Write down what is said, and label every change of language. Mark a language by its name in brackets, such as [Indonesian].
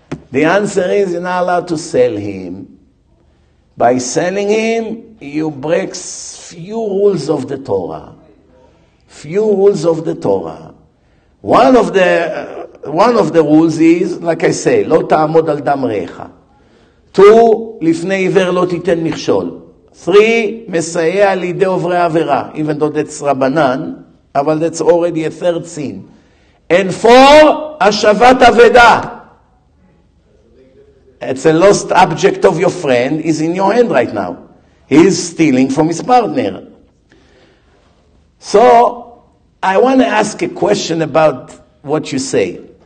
[English] The answer is you're not allowed to sell him. By selling him, you break few rules of the Torah. Few rules of the Torah. One of the rules is, like I say, [Hebrew] לא תעמוד על דם רעך. Two, לפני עיוור לא תיתן מכשול. Three, מסייע לידי עוברי עבירה. [English] Even though that's Rabbanan, אבל that's already a third sin. And four, [Hebrew] השבת עבדה. [English] It's a lost object of your friend. He's in your hand right now. He's stealing from his partner. So, I want to ask a question about what you say.